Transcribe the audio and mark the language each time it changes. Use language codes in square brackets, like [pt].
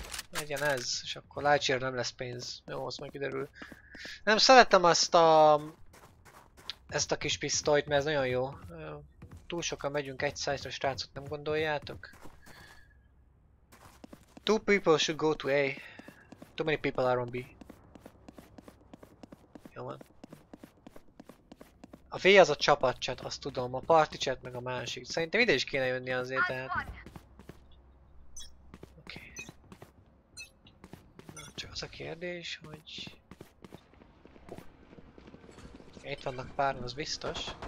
[hu] legyen ez, és akkor látszik, nem lesz pénz. Jó, az majd kiderül. Nem szeretem azt a... ezt a kis pisztolyt, mert ez nagyon jó. Túl sokan megyünk egy szájtra, srácok, nem gondoljátok? [en] Two people should go to A. Too many people are on B. [hu] Jó, Jó van. A V az a csapatcsat, azt tudom, a party chat meg a másik. Szerintem ide is kéne jönni azért, tehát... Oké. Okay. Na, csak az a kérdés, hogy... Itt vannak pár, az biztos.